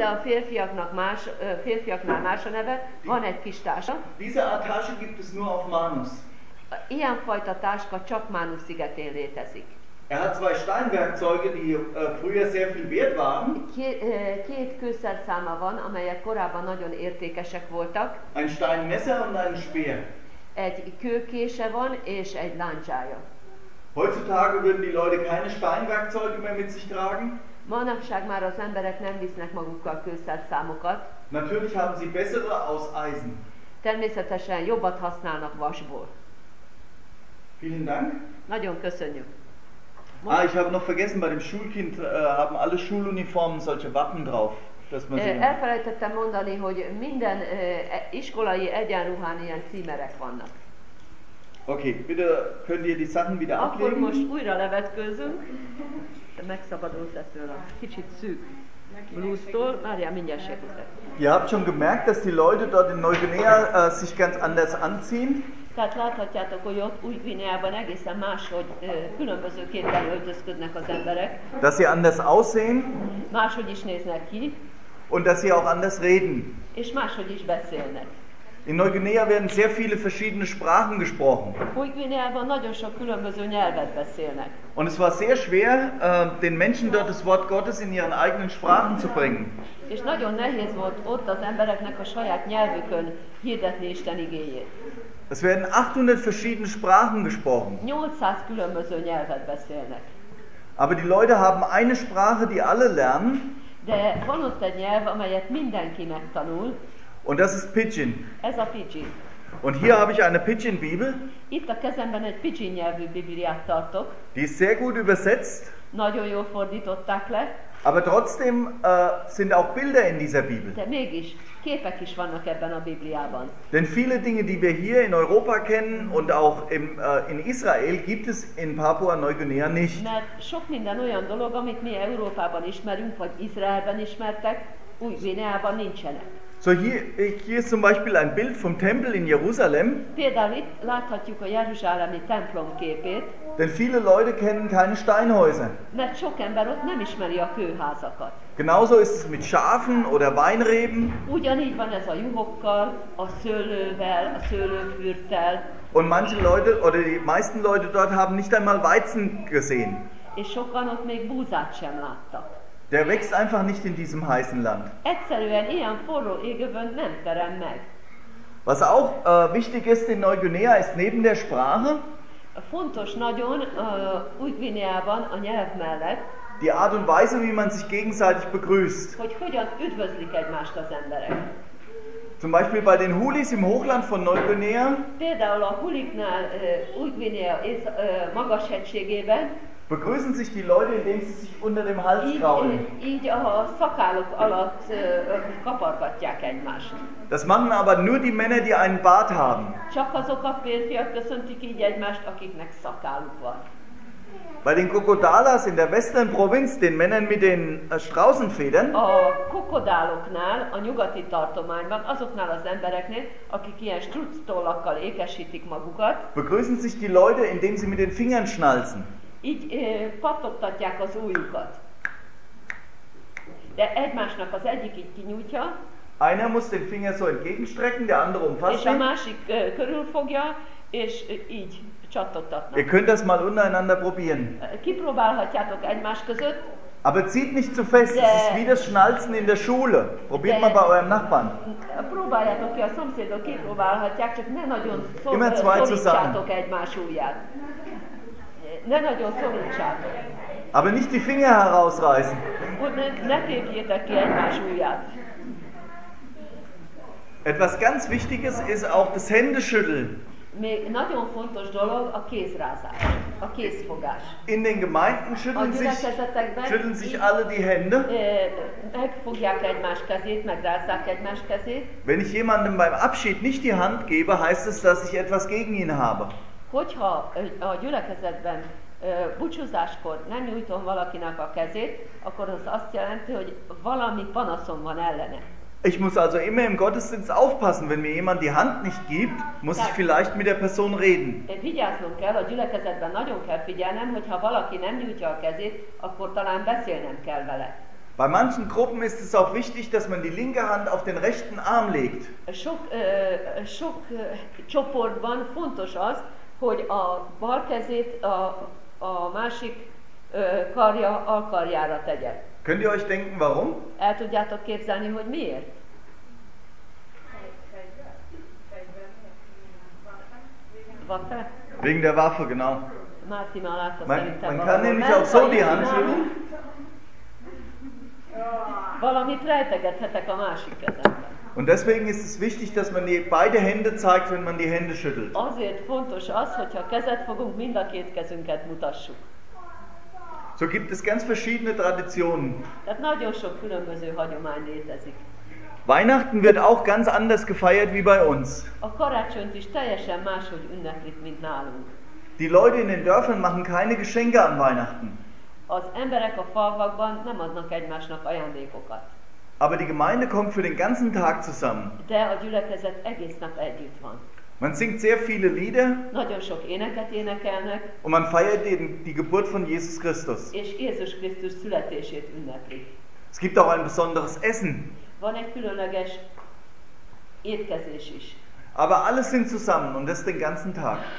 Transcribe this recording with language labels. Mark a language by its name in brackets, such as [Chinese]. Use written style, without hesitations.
[Hungarian] De a férfiaknak más, férfiaknál más a neve, van egy kis tása. [German] Diese Art Tasche gibt es nur auf Manus. [Hungarian] Ilyen fajta táska csak Manus szigetén létezik. [German] Er hat zwei Steinwerkzeuge, die früher sehr viel wert waren. [Hungarian] Két kőszerszáma van, amelyek korábban nagyon értékesek voltak. [German] Ein Steinmesser und ein Speer. [Hungarian] Egy kőkése van és egy láncsája. [German] Heutzutage würden die Leute keine Steinwerkzeuge mehr mit sich tragen. [Hungarian] Manapság már az emberek nem visznek magukkal kőszerszámokat. [German] Natürlich haben sie bessere aus Eisen. [Hungarian] Természetesen jobbat használnak vasból. [German] Vielen Dank. [Hungarian] Nagyon köszönjük. [German] Ah, ich habe noch vergessen, bei dem Schulkind haben alle Schuluniformen solche Wappen drauf, dass man sehen. [Hungarian] Elfelejtettem mondani, hogy minden iskolai egyenruhán ilyen címerek vannak. [German] Okay, bitte könnt ihr die Sachen wieder [Hungarian] akkor [German] ablegen. [Hungarian] Akkor most újra levetkőzünk. Megszabadult ettől a kicsit szűk blúztól. Mária, mindjárt segítek. [German] Ihr habt schon gemerkt, dass die Leute dort in Neuguinea sich ganz anders anziehen. [Hungarian] Tehát láthatjátok, hogy ott Új-Guineában egészen máshogy különbözőképpen öltözködnek az emberek. [German] Dass sie anders aussehen. [Hungarian] Máshogy is néznek ki. [German] Und dass sie auch anders reden. [Hungarian] És máshogy is beszélnek. [German] In Neuguinea werden sehr viele verschiedene Sprachen gesprochen. [Hungarian] Új-Guineában nagyon sok különböző nyelvet beszélnek. [German] Und es war sehr schwer, den Menschen dort das Wort Gottes in ihren eigenen Sprachen zu bringen. [Hungarian] És nagyon nehéz volt ott az embereknek a saját nyelvükön hirdetni Isten igényét. [German] Es werden 800 verschiedene Sprachen gesprochen. [Hungarian] 800 különböző nyelvet beszélnek. [German] Aber die Leute haben eine Sprache, die alle lernen. [Hungarian] De van ott egy nyelv, amelyet mindenki megtanul. [German] Und das ist Pidgin. [Hungarian] Ez a Pidgin. [German] Und hier habe ich eine Pidgin-Bibel. [Hungarian] Itt a kezemben egy Pidgin nyelvű Bibliát tartok. [German] Die ist sehr gut übersetzt. [Hungarian] Nagyon jól fordították le. [German] Aber trotzdem sind auch Bilder in dieser Bibel. [Hungarian] De mégis képek is vannak ebben a Bibliában. [German] Denn viele Dinge, die wir hier in Europa kennen und auch im, in Israel, gibt es in Papua-Neuguinea nicht. [Hungarian] Mert sok minden olyan dolog, amit mi Európában ismerünk, vagy Izraelben ismertek, Új-Guineában nincsenek. [German] So hier ist zum Beispiel ein Bild vom Tempel in Jerusalem. [Hungarian] Például itt láthatjuk a jeruzsálemi templom képét. [German] Denn viele Leute kennen keine Steinhäuser. [Hungarian] Mert sok ember ott nem ismeri a kőházakat. [German] Genauso ist es mit Schafen oder Weinreben. [Hungarian] Ugyanígy van ez a juhokkal, a szőlővel, a szőlőfürttel. [German] Und manche Leute oder die meisten Leute dort haben nicht einmal Weizen gesehen. [Hungarian] És sokan ott még búzát sem láttak. [German] Der wächst einfach nicht in diesem heißen Land. [Hungarian] Egyszerűen ilyen forró égövön nem terem meg. [German] Was auch wichtig ist in Neuguinea ist neben der Sprache. [Hungarian] Fontos nagyon Új-Guineában a nyelv mellett. [German] Die Art und Weise, wie man sich gegenseitig begrüßt. [Hungarian] Hogy hogyan üdvözlik egymást az emberek. [German] Zum Beispiel bei den Hulis im Hochland von Neuguinea. [Hungarian] Például a Huliknál Új-Guinea és magas hegységében. [German] Begrüßen sich die Leute, indem sie sich unter dem Hals kraulen. [Hungarian] Így a szakállok alatt kapargatják egymást. [German] Das machen aber nur die Männer, die einen Bart haben. [Hungarian] Csak azok a férfiak köszöntik így egymást, akiknek szakálluk van. [German] Bei den Kokodalas in der Western Provinz, den Männern mit den Straußenfedern. [Hungarian] A kokodáloknál, a nyugati tartományban, azoknál az embereknél, akik ilyen structollakkal ékesítik magukat. [German] Begrüßen sich die Leute, indem sie mit den Fingern schnalzen. [Hungarian] Így pattogtatják az ujjukat. De egymásnak az egyik így kinyújtja. [German] Einer muss den Finger so entgegenstrecken, der andere umfasst. [Hungarian] És a másik körülfogja, és így csattogtatnak. [German] Ihr könnt das mal untereinander probieren. [Hungarian] Kipróbálhatjátok egymás között. [German] Aber zieht nicht zu fest, es ist wie das Schnalzen in der Schule. Probiert mal bei eurem Nachbarn. [Hungarian] Próbáljátok ki, a szomszédok kipróbálhatják, csak ne nagyon szomítsátok egymás ujját. Ne nagyon szorítsátok. [German] Aber nicht die Finger herausreißen. [Hungarian] Ne tépjétek ki egymás ujját. [German] Etwas ganz Wichtiges ist auch das Händeschütteln. [Hungarian] Még nagyon fontos dolog a kézrázás, a kézfogás. [German] In den Gemeinden schütteln sich alle die Hände. [Hungarian] Megfogják egymás kezét, megrázzák egymás kezét. [German] Wenn ich jemandem beim Abschied nicht die Hand gebe, heißt es, dass ich etwas gegen ihn habe. [Hungarian] Hogyha a gyülekezetben búcsúzáskor nem nyújtom valakinek a kezét, akkor az azt jelenti, hogy valami panaszom van ellene. [German] Ich muss also immer im Gottesdienst aufpassen, wenn mir jemand die Hand nicht gibt, muss ich vielleicht mit der Person reden. [Hungarian] Vigyáznom kell, a gyülekezetben nagyon kell figyelnem, hogyha valaki nem nyújtja a kezét, akkor talán beszélnem kell vele. [German] Bei manchen Gruppen ist es auch wichtig, dass man die linke Hand auf den rechten Arm legt. [Hungarian] Sok csoportban fontos az, hogy a bal kezét a másik karja alkarjára tegye. [German] Könnt ihr euch denken, warum? [Hungarian] El tudjátok képzelni, hogy miért? [German] Waffe? Wegen der Waffe, genau. [Hungarian] Márti, már látta szerintem. [German] Man kann nämlich auch so die Hand schütteln. [Hungarian] Valamit rejtegethetek a másik kezemben. [German] Und deswegen ist es wichtig, dass man die beide Hände zeigt, wenn man die Hände schüttelt. [Hungarian] Azért fontos az, hogyha kezet fogunk, mind a két kezünket mutassuk. [German] So gibt es ganz verschiedene Traditionen. [Hungarian] Tehát nagyon sok különböző hagyomány létezik. [German] Weihnachten wird auch ganz anders gefeiert wie bei uns. [Hungarian] A karácsonyt is teljesen máshogy ünneplik, mint nálunk. [German] Die Leute in den Dörfern machen keine Geschenke an Weihnachten. [Hungarian] Az emberek a falvakban nem adnak egymásnak ajándékokat. [German] Aber die Gemeinde kommt für den ganzen Tag zusammen. [Hungarian] De a gyülekezet egész nap együtt van. [German] Man singt sehr viele Lieder. [Hungarian] Nagyon sok éneket énekelnek. [German] Und man feiert die Geburt von Jesus Christus. [Hungarian] És Jézus Krisztus születését ünnepli. [German] Es gibt auch ein besonderes Essen. [Hungarian] Van egy különleges étkezés is. [German] Aber alle sind zusammen und das den ganzen Tag.